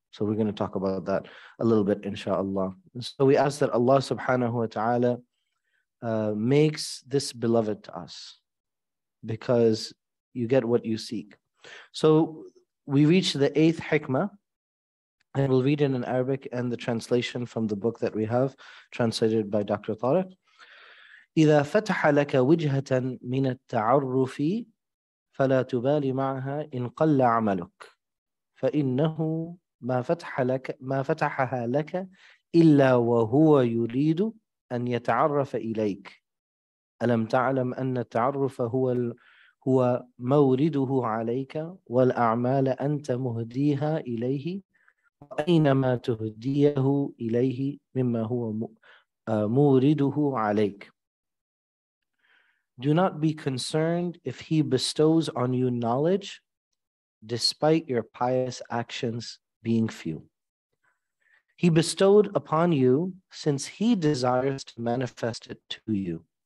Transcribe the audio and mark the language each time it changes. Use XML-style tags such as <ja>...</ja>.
<en>So we're going to talk about that a little bit, inshallah. So we ask that Allah subhanahu wa ta'ala makes this beloved to us, because you get what you seek. So we reach the eighth hikmah, and we'll read it in Arabic and the translation from the book that we have translated by Dr. Tariq.</en> <ar>إذا فتح لك وجهة من التعرف فلا تبالي معها إن قل عملك فإنه ما فتحها لك إلا وهو يريد أن يتعرف إليك ألم تعلم أن التعرف هو مورده عليك والأعمال أنت مهديها إليه وأينما تهديه إليه مما هو مورده عليك.</ar> <en>Do not be concerned if he bestows on you knowledge despite your pious actions being few. He bestowed upon you since he desires to manifest it to you.</en>